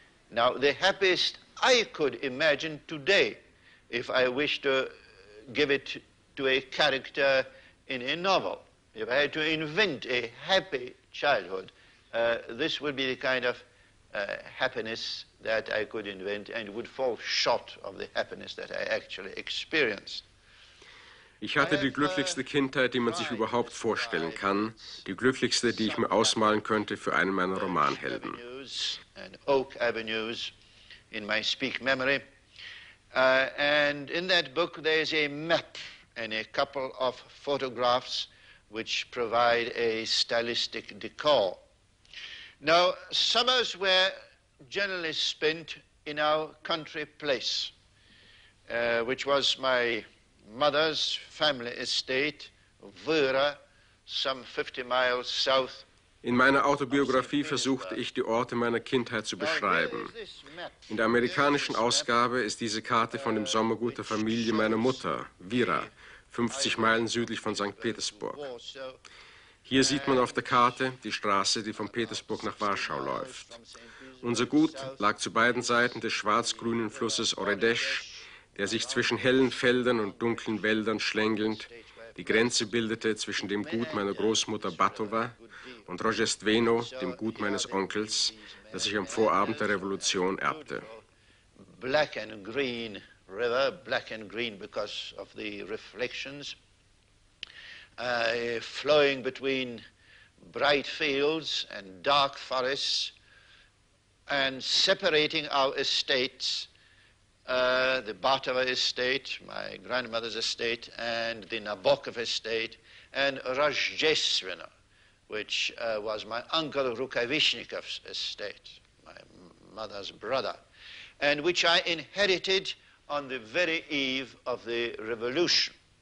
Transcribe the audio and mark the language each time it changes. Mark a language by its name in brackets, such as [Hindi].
[English] Now, the happiest I could imagine today, if I wish to give it to a character in a novel, if I had to invent a happy childhood, this would be the kind of happiness that I could invent and would fall short of the happiness that I actually experienced. [German] Ich hatte die glücklichste Kindheit, die man sich überhaupt vorstellen kann, die glücklichste, die ich mir ausmalen könnte für einen meiner Romanhelden. [English] And Oak Avenues in my speak memory. And in that book there is a map and a couple of photographs which provide a stylistic decor. Now, summers were generally spent in our country place, which was my mother's family estate, Vöhra, some 50 miles south. [German] In meiner Autobiografie versuchte ich, die Orte meiner Kindheit zu beschreiben. In der amerikanischen Ausgabe ist diese Karte von dem Sommergut der Familie meiner Mutter, Vöhra, 50 Meilen südlich von St. Petersburg. Hier sieht man auf der Karte die Straße, die von Petersburg nach Warschau läuft. Unser Gut lag zu beiden Seiten des schwarz-grünen Flusses Oredesch, der sich zwischen hellen Feldern und dunklen Wäldern schlängelnd die Grenze bildete zwischen dem Gut meiner Großmutter Batova und Rojestveno, dem Gut meines Onkels, das ich am Vorabend der Revolution erbte. [English] Black and green river, black and green because of the reflections, flowing between bright fields and dark forests and separating our estates, the Batova estate, my grandmother's estate, and the Nabokov estate, and Rozhestveno, which was my uncle Rukavishnikov's estate, my mother's brother, and which I inherited on the very eve of the revolution.